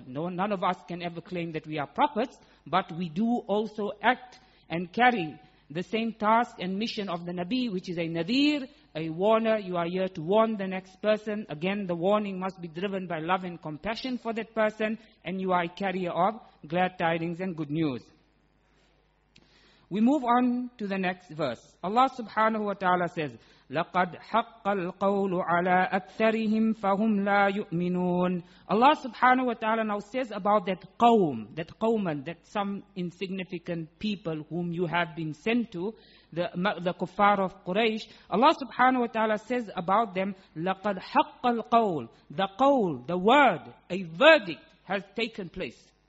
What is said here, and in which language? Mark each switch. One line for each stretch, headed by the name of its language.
English: No, none of us can ever claim that we are prophets, but we do also act and carry the same task and mission of the Nabi, which is a nadir, a warner. You are here to warn the next person. Again, the warning must be driven by love and compassion for that person, and you are a carrier of glad tidings and good news. We move on to the next verse. Allah subhanahu wa ta'ala says,
Arabic: لَقَدْ حَقَّ الْقَوْلُ عَلَىٰ أَكْثَرِهِمْ فَهُمْ لَا يُؤْمِنُونَ.
English: Allah subhanahu wa ta'ala now says about that qawm, that qawman, that some insignificant people whom you have been sent to, the kuffar of Quraysh. Allah subhanahu wa ta'ala says about them,
Arabic: لَقَدْ حَقَّ الْقَوْلُ.
English: The qawl, the word, a verdict has taken place.